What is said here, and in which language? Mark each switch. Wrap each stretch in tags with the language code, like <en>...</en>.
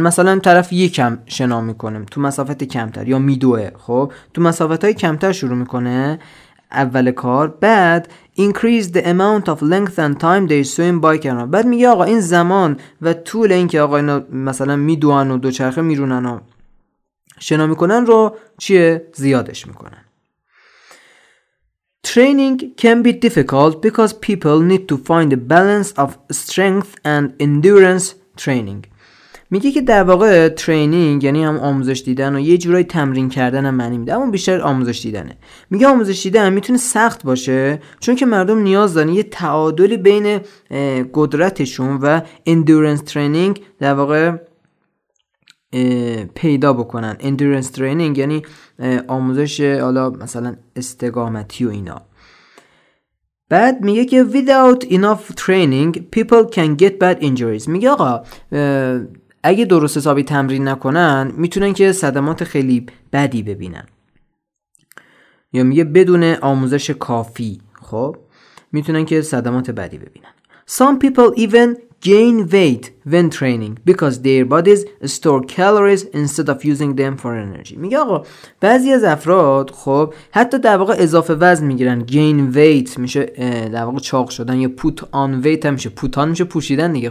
<fa>مثلا طرف یکم شنا میکنه تو مسافت کمتر، یا میدوه خب تو مسافتهای کمتر شروع میکنه اول کار.</fa> <en>بعد increase the amount of length and time they swim bike and run.</en> <fa>بعد میگه آقا این زمان و طول این که آقا اینا مثلا میدوان و دوچرخه میرونن و شنا میکنن رو چیه؟ زیادش میکنن.</fa> <en>Training can be difficult because people need to find a balance of strength and endurance training.</en> <fa>میگه که در واقع ترینینگ یعنی هم آموزش دیدن و یه جورای تمرین کردن هم معنی میده، اما بیشتر آموزش دیدنه. میگه آموزش دیدن میتونه سخت باشه چون که مردم نیاز دارن یه تعادلی بین قدرتشون و</fa> <en>endurance training</en> <fa>در واقع پیدا بکنن.</fa> <en>endurance training</en> <fa>یعنی آموزش حالا مثلا استقامتی و اینا. بعد میگه که</fa> <en>without enough training people can get bad injuries.</en> <fa>میگه آقا اگه درست حسابی تمرین نکنن میتونن که صدمات خیلی بدی ببینن، یا میگه بدون آموزش کافی خب میتونن که صدمات بدی ببینن.</fa> <en>Some people even gain weight when training because their bodies store calories instead of using them for energy.</en> <fa>میگه آقا بعضی از افراد خب حتی در واقع اضافه وزن میگیرن.</fa> <en>gain weight</en> <fa>میشه در واقع چاق شدن، یا</fa> <en>put on weight</en> <fa>هم میشه، put on میشه پوشیدن دیگه.</fa>